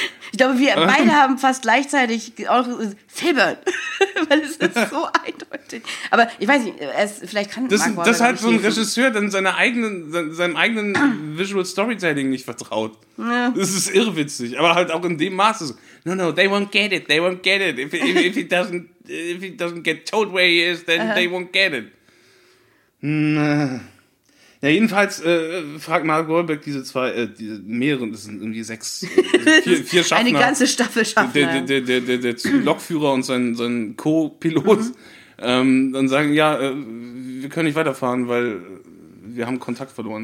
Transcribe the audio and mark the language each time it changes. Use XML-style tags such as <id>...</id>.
<de>Ich glaube, wir beide haben fast gleichzeitig auch Philbert, weil es ist so eindeutig. Aber ich weiß nicht, es vielleicht kann das, Mark das halt so ein Regisseur dann seinem eigenen Visual Storytelling nicht vertraut. Ja. Das ist irrwitzig, aber halt auch in dem Maße.</de> <en>No, they won't get it. If he doesn't get told where he is, then they won't get it.</en> <de>Ja, jedenfalls fragt Mark Wahlberg diese zwei, das sind irgendwie sechs, vier Schaffner. Eine ganze Staffel Schaffner. Der Lokführer und sein Co-Pilot dann sagen, ja, wir können nicht weiterfahren, weil wir haben Kontakt verloren.</de>